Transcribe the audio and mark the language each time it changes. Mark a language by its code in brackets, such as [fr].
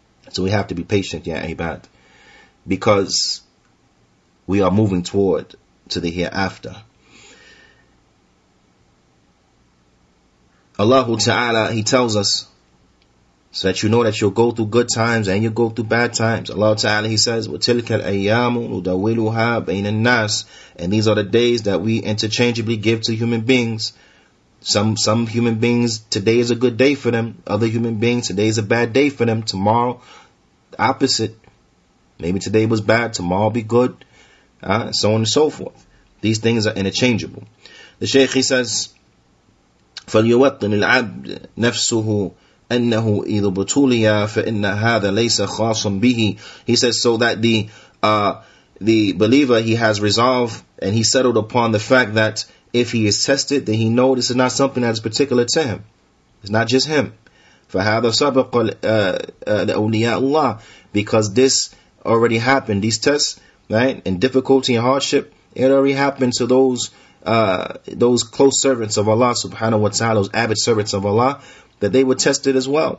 [en] So we have to be patient, ya ibad, because we are moving toward to the hereafter. Allah Ta'ala, he tells us, so that you know that you'll go through good times and you'll go through bad times. Allah Ta'ala, he says, [ar] وَتِلْكَ الْأَيَّامُ نُدَوِّلُهَا بَيْنَ النَّاسِ. [en] And these are the days that we interchangeably give to human beings. Some human beings, today is a good day for them. Other human beings, today is a bad day for them. Tomorrow, the opposite. Maybe today was bad, tomorrow be good. So on and so forth. These things are interchangeable. The Shaykh, he says, [ar] فَلْيُوَطِّنِ الْعَبْدِ نَفْسُهُ أَنَّهُ إِذُ بُتُولِيَا فَإِنَّ هَذَا لَيْسَ خَاصٌ بِهِ. [en] He says, so that the believer, he has resolved and he settled upon the fact that if he is tested, then he knows this is not something that is particular to him. It's not just him. [ar] فَهَذَا سَبَقَ لَأَوْلِيَاءُ اللَّهِ. [en] Because this already happened, these tests, right, and difficulty and hardship, it already happened to those close servants of Allah subhanahu wa ta'ala, those avid servants of Allah, that they were tested as well.